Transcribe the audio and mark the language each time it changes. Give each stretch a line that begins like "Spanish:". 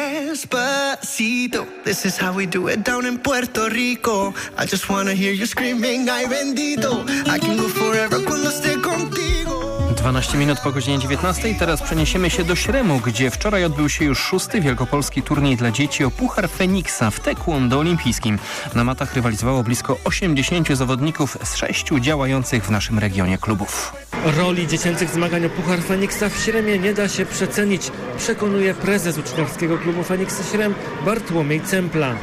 English: This is how we do it down in Puerto Rico. I just wanna hear you screaming,
Spanish: ay bendito.
English: I can go forever
Spanish: cuando esté contigo.
Polish: 12 minut po godzinie 19. Teraz przeniesiemy się do Śremu, gdzie wczoraj odbył się już 6. wielkopolski turniej dla dzieci o Puchar Feniksa w taekwondo olimpijskim. Na matach rywalizowało blisko 80 zawodników z 6 działających w naszym regionie klubów. Roli dziecięcych zmagań o Puchar Feniksa w Śremie nie da się przecenić, przekonuje prezes uczniowskiego klubu Feniksa Śrem Bartłomiej Cempla.